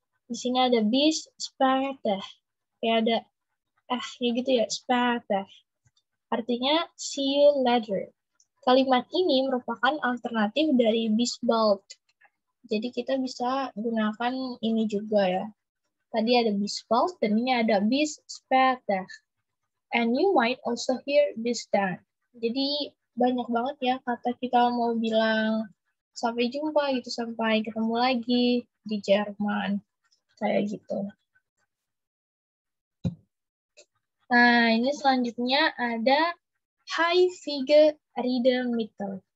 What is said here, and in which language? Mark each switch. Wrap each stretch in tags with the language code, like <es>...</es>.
<id>Di sini ada</id> <de>bis später.</de> <id>Kayak ada ya gitu ya, später. Artinya,</id> <en>see you later.</en> <id>Kalimat ini merupakan alternatif dari</id> <de>bis bald.</de> <id>Jadi kita bisa gunakan ini juga ya. Tadi ada</id> <de>bis bald,</de> <id>dan ini ada</id> <de>bis später.</de> <en>And you might also hear this then.</en> <id>Jadi banyak banget ya kata kita mau bilang sampai jumpa gitu, sampai ketemu lagi di Jerman. Kayak gitu. Nah, ini selanjutnya ada High Figure Reader Meter.</id>